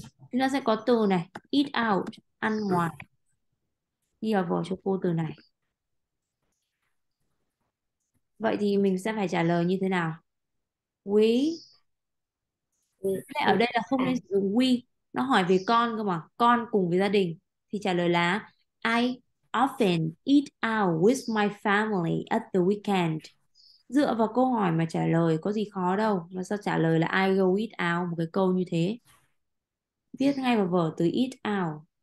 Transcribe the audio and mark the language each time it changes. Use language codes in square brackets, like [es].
[vi] Chúng ta sẽ có từ này, eat out, ăn ngoài. Đi vào vở cho cô từ này. Vậy thì mình sẽ phải trả lời như thế nào? We. Ở đây là không nên dùng we. Nó hỏi về con cơ mà. Con cùng với gia đình. Thì trả lời là [en] I often eat out with my family at the weekend. [vi] Dựa vào câu hỏi mà trả lời có gì khó đâu. Mà sao trả lời là [en] I go eat out [vi] một cái câu như thế. Viết ngay vào vở từ eat out.